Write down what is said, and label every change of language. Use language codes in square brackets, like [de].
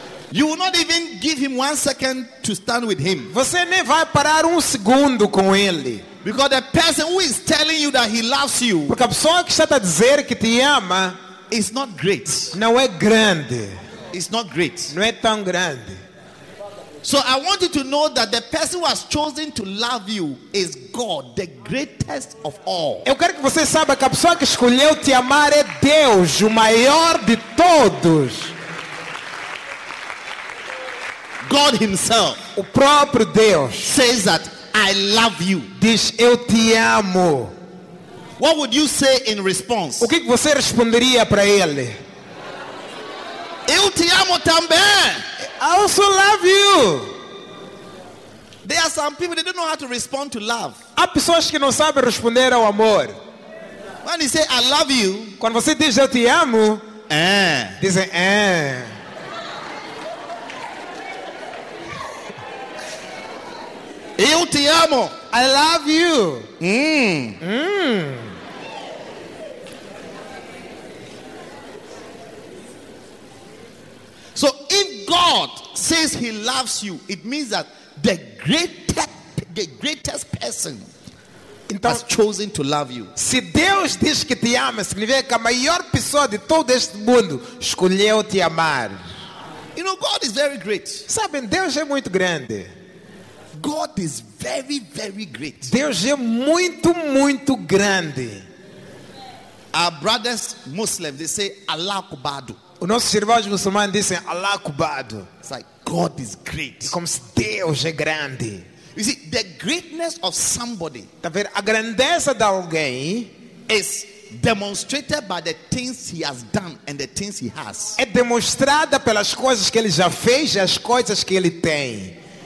[en] You will not even give him 1 second to stand with him. [pt] Você nem vai parar segundo com ele. [en] Because the person who is telling you that he loves you, [pt] porque a pessoa que está a dizer que te ama, [en] is not great. [pt] Não é grande. [en] It's not great. [pt] Não é tão grande. [en] So I want you to know that the person who has chosen to love you is God, the greatest of all. [pt] Eu quero que você saiba que a pessoa que escolheu te amar é Deus, o maior de todos. [en] God himself, [pt] o próprio Deus, [en] says that I love you. [pt] Diz eu te amo. [en] What would you say in response? [pt] O que você responderia para ele? Eu te amo também. [en] I also love you. There are some people they don't know how to respond to love. [pt] Há pessoas que não sabem responder ao amor. [en] When you say I love you, [pt] quando você diz eu te amo, dizem Eu te amo. [en] I love you. So if God says he loves you, it means that the greatest person [pt] então, [en] has chosen to love you. [pt] Se Deus diz que te ama, significa que a maior pessoa de todo este mundo escolheu te amar. [en] You know, God is very great. [pt] Sabem, Deus é muito grande. [en] God is very, very great. [pt] Deus é muito, muito grande. [en] Our brothers Muslims, they say [ar] Allah kubadu. [pt] O nosso irmão muçulmano disse [ar] Allah kubadu. [en] It's like God is great. [pt] Como se Deus é grande. [en] You see, the greatness of somebody, [pt] tá vendo? A grandeza de alguém [en] is demonstrated by the things he has done and the things he has. [pt] É demonstrada pelas coisas que ele já fez e as coisas que ele tem.